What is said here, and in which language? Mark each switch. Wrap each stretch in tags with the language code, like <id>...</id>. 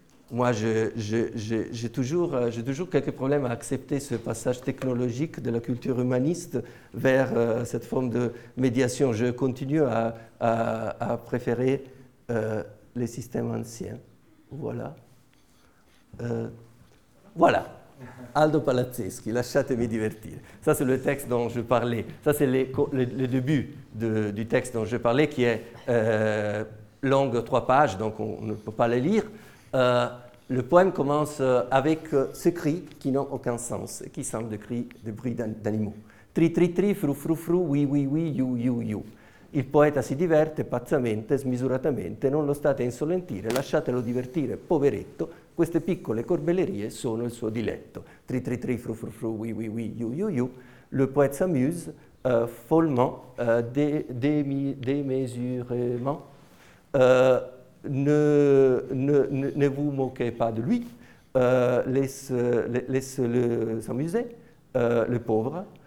<fr>Moi, j'ai toujours quelques problèmes à accepter ce passage technologique de la culture humaniste vers cette forme de médiation. Je continue à préférer les systèmes anciens. Voilà. Voilà.</fr> <it>Aldo Palazzeschi, Lasciatemi divertire.</it> <fr>Ça, c'est le texte dont je parlais. Ça, c'est le début du texte dont je parlais, qui est longue, 3 pages, donc on ne peut pas le lire. Le poème commence avec ce cri qui n'a aucun sens, qui semble des bruits d'animaux. Tri, tri, tri, frou, frou, frou, oui, oui, oui, you, you, you.</fr> <it>Il poeta si diverte pazzamente, smisuratamente, non lo state a insolentire, lasciatelo divertire, poveretto, queste piccole corbellerie sono il suo diletto. Tri, tri, tri, frou, frou, frou, oui, oui, oui, you, you, you.</it> <fr>Le poète s'amuse follement, démesurément. Ne vous moquez pas de lui, laisse-le s'amuser, le pauvre.</fr>